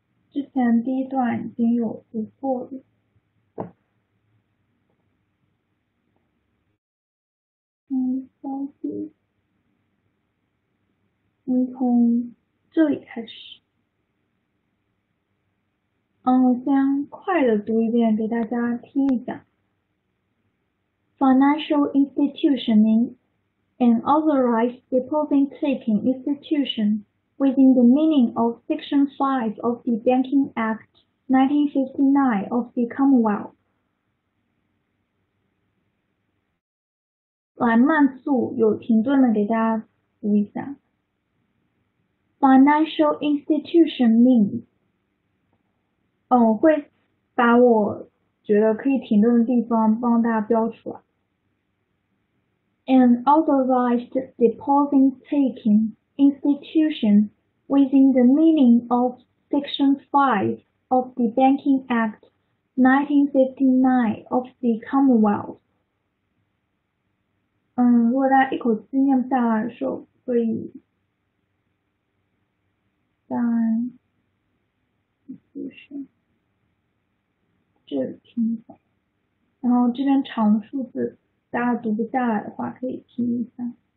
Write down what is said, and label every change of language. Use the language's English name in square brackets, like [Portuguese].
[Chinese] 之前第一段已经有读过了，从这里开始。先快的读一遍，给大家听一下。 [English] Financial institution means an authorized deposit taking institution within the meaning of Section 5 of the Banking Act 1959 of the Commonwealth. [Chinese] 来慢速，有停顿的，给大家读一下。 [English] Financial institution means， [Chinese] 会把我觉得可以停顿的地方帮大家标出来。 [English] An authorized deposit-taking institution within the meaning of Section 5 of the Banking Act 1959 of the Commonwealth。 [Chinese] 如果大家一口气念不下来的时候，可以在就是这听一下，然后这边长的数字，大家读不下来的话，可以听一下。